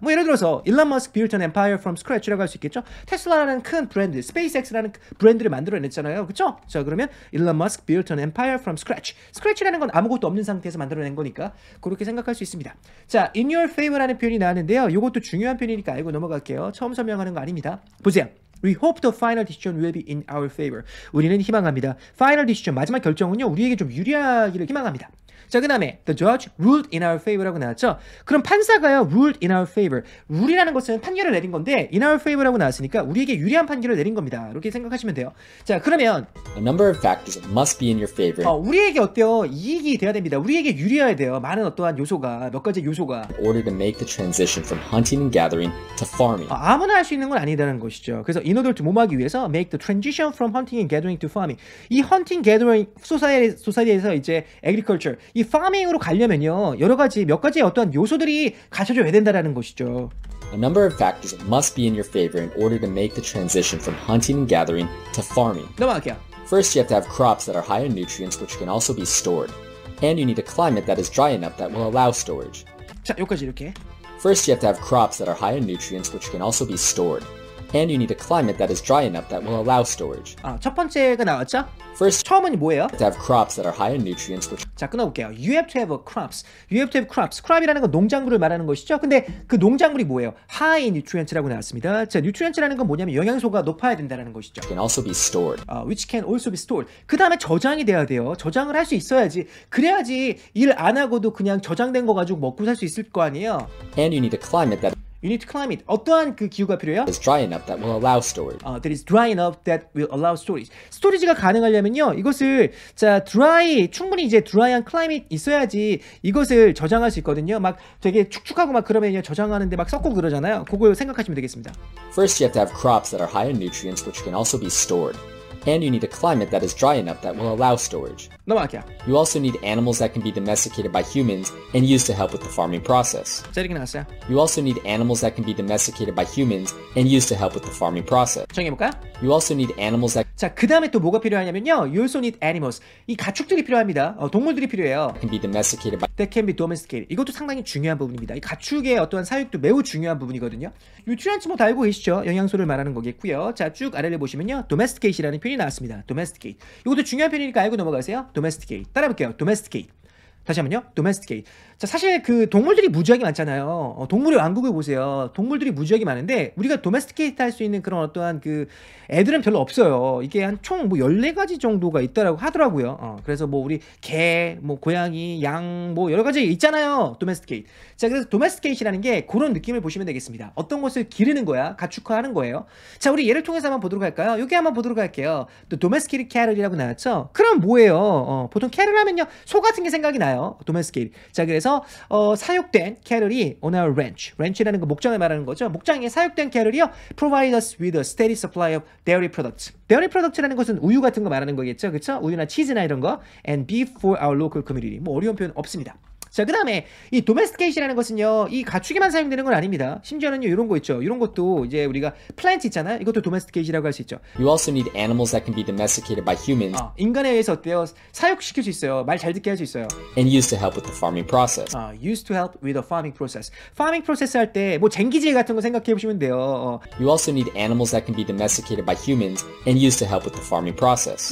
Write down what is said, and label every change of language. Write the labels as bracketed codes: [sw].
[ko] 뭐 예를 들어서 일론 머스크 [en] built an empire from scratch [ko] 라고 할 수 있겠죠. 테슬라라는 큰 브랜드, SpaceX라는 브랜드를 만들어냈잖아요. 그렇죠? 자, 그러면 [en] 일론 머스크 built an empire from scratch. [ko] Scratch라는 건 아무것도 없는 상태에서 만들어낸 거니까 그렇게 생각할 수 있습니다. 자, [en] in your favor [ko] 라는 표현이 나왔는데요. 이것도 중요한 편이니까 알고 넘어갈게요. 처음 설명하는 거 아닙니다. 보세요. [en] We hope the final decision will be in our favor. [ko] 우리는 희망합니다. Final decision, 마지막 결정은요, 우리에게 좀 유리하기를 희망합니다. 자, 그 다음에 [en] The judge ruled in our favor [ko] 라고 나왔죠. 그럼 판사가요, [en] ruled in our favor. [ko] Rule이라는 것은 판결을 내린 건데 [en] in our favor [ko] 라고 나왔으니까 우리에게 유리한 판결을 내린 겁니다. 이렇게 생각하시면 돼요. 자, 그러면 [en] A number of factors must be in your favor. [ko] 우리에게 어때요? 이익이 돼야 됩니다. 우리에게 유리해야 돼요. 많은 어떠한 요소가, 몇 가지 요소가 [en] In order to make the transition from hunting and gathering to farming. [ko] 아무나 할 수 있는 건 아니라는 것이죠. 그래서 [en] in order to [ko] 몸하기 위해서 [en] make the transition from hunting and gathering to farming. [ko] 이 hunting gathering society에서 이제 agriculture 이 farming으로 가려면요 여러 가지 몇 가지 어떠한 요소들이 갖춰져야 된다라는 것이죠. [en] A number of factors must be in your favor in order to make the transition from hunting and gathering to farming. [ko] 넘어갈게요. [en] First, you have to have crops that are high in nutrients, which can also be stored, and you need a climate that is dry enough that will allow storage. [ko] 자, 여기까지 이렇게. [en] First, you have to have crops that are high in nutrients, which can also be stored. And you need a climate that is dry enough that will allow storage. [ko] 아, 첫 번째가 나왔죠? [en] First, [ko] 처음은 뭐예요? [en] To have crops that are high in nutrients. Which... [ko] 자, 끊어볼게요. [en] You have to have a crops. You have to have crops. Crop이라는 [ko] 건 농작물을 말하는 것이죠? 근데 그 농작물이 뭐예요? [en] High in nutrients [ko] 라고 나왔습니다. 자, nutrients라는 건 뭐냐면 영양소가 높아야 된다는 것이죠. [en] Can also be stored. Which can also be stored. [ko] 그 다음에 저장이 돼야 돼요. 저장을 할 수 있어야지. 그래야지 일 안 하고도 그냥 저장된 거 가지고 먹고 살 수 있을 거 아니에요? [en] And you need a climate that... You need climate. [ko] 어떠한 그 기후가 필요해요? [en] It's dry enough that will allow storage. That is dry enough that will allow storage. [ko] Storage가 가능하려면요, 이것을 자 dry 충분히 이제 dry한 climate 있어야지 이것을 저장할 수 있거든요. 막 되게 축축하고 막 그러면요 저장하는데 막 썩고 그러잖아요. 그거 생각하시면 되겠습니다. [en] First, you have to have crops that are high in nutrients, which can also be stored. And you need a climate that is dry enough that will allow storage. [ko] 넘어갈게요. [en] You also need animals that can be domesticated by humans and used to help with the farming process. [ko] 자, 이렇게 나왔어요. [en] You also need animals that can be domesticated by humans and used to help with the farming process. [ko] 정해볼까요? [en] You also need animals that... [ko] 자, 그 다음에 또 뭐가 필요하냐면요. [en] You also need animals. [ko] 이 가축들이 필요합니다. 동물들이 필요해요. [en] Can be domesticated by... That can be domesticated. [ko] 이것도 상당히 중요한 부분입니다. 이 가축의 어떠한 사육도 매우 중요한 부분이거든요. Nutrients 뭐 다 알고 계시죠? 영양소를 말하는 거겠고요. 자, 쭉 아래를 보시면요. Domesticate이라는 표현이 나왔습니다. Domesticate. 이것도 중요한 표현이니까 알고 넘어가세요. Domesticate. 따라볼게요. Domesticate. 다시 한번요. Domesticate. 자, 사실 그 동물들이 무지하게 많잖아요. 동물의 왕국을 보세요. 동물들이 무지하게 많은데 우리가 domesticate 할 수 있는 그런 어떠한 그 애들은 별로 없어요. 이게 한 총 뭐 14가지 정도가 있다라고 하더라고요. 그래서 뭐 우리 개, 뭐 고양이, 양 뭐 여러 가지 있잖아요. Domesticate. 자, 그래서 domesticate이라는 게 그런 느낌을 보시면 되겠습니다. 어떤 것을 기르는 거야? 가축화하는 거예요. 자, 우리 예를 통해서 한번 보도록 할까요? 여기 한번 보도록 할게요. 또 [en] domesticated cattle [ko] 이라고 나왔죠? 그럼 뭐예요? 보통 cattle 하면요. 소 같은 게 생각이 나요. Domesticated. 자, 그래서 사육된 캐럴이 [en] on our ranch. [ko] Ranch라는 거 목장을 말하는 거죠. 목장에 사육된 캐럴이요. [en] Provide us with a steady supply of dairy products. [ko] Dairy products라는 것은 우유 같은 거 말하는 거겠죠. 그렇죠? 우유나 치즈나 이런 거. [en] And beef for our local community. [ko] 뭐 어려운 표현 없습니다. 자, 그 다음에 이 domesticate이라는 것은요. 이 가축에만 사용되는 건 아닙니다. 심지어는요. 이런 거 있죠. 이런 것도 이제 우리가 plant 있잖아요. 이것도 domesticate이라고 할 수 있죠. [en] You also need animals that can be domesticated by humans. [ko] 인간에 의해서 어때요? 사육시킬 수 있어요. 말 잘 듣게 할 수 있어요. [en] And used to help with the farming process. Used to help with the farming process. Farming process [ko] 할 때 뭐 쟁기질 같은 거 생각해 보시면 돼요. [en] You also need animals that can be domesticated by humans and used to help with the farming process.